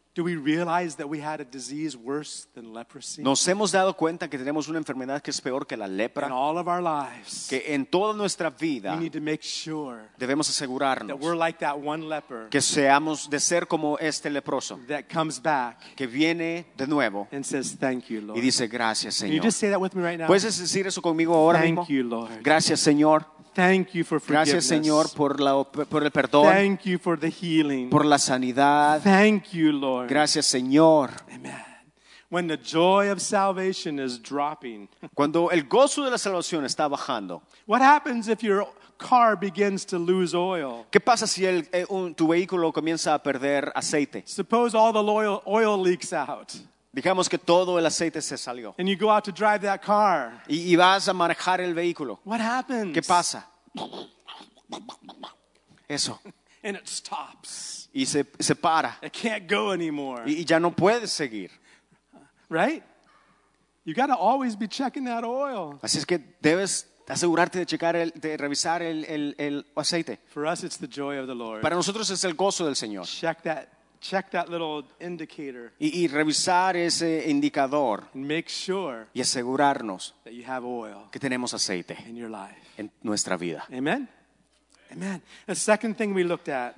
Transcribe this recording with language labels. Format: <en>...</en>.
<en>Do we realize that we had a disease worse than leprosy?</en> <es>Nos hemos dado cuenta que tenemos una enfermedad que es peor que la lepra.</es> <en>In all of our lives,</en> <es>que en toda nuestra vida,</es> <en>we need to make sure,</en> <es>debemos asegurarnos,</es> <en>that we're like that one leper,</en> <es>que seamos de ser como este leproso,</es> <en>that comes back,</en> <es>que viene de nuevo,</es> <en>and says thank you, Lord,</en> <es>y dice gracias, Señor.</es> <en>Can you just say that with me right now?</en> <es>¿Puedes decir eso conmigo ahora</es> <en>thank Thank you, Lord.</en> <es>Gracias, Señor.</es> <en>Thank you for forgiveness.</en> <es>Gracias, Señor, por el perdón.</es> <en>Thank you for the healing.</en> <es>Por la sanidad.</es> <en>Thank you, Lord.</en> <es>Gracias, Señor.</es> <en>Amen. When the joy of salvation is dropping.</en> <es>Cuando el gozo de la salvación está bajando.</es> <en>What happens if your car begins to lose oil?</en> <es>¿Qué pasa si tu vehículo comienza a perder aceite?</es> <en>Suppose all the oil leaks out.</en> <es>Digamos que todo el aceite se salió.</es> <en>And you go out to drive that car.</en> <es>Y vas a manejar el vehículo.</es> <en>What happens?</en> <es>¿Qué pasa? Eso.</es> <en>And it stops.</en> <es>Y se para.</es> <en>It can't go anymore.</en> <es>Y ya no puede seguir.</es> <en>Right? You got to always be checking that oil.</en> <es>Así es que debes asegurarte de checar de revisar el aceite.</es> <en>For us it's the joy of the Lord.</en> <es>Para nosotros es el gozo del Señor.</es> <en>Check that little indicator.</en> <es>Y revisar ese indicador.</es> <en>And make sure.</en> <es>Y asegurarnos.</es> <en>That you have oil.</en> <es>Que tenemos aceite.</es> <en>In your life.</en> <es>En nuestra vida.</es> <en>Amen. Amen. The second thing we looked at.</en>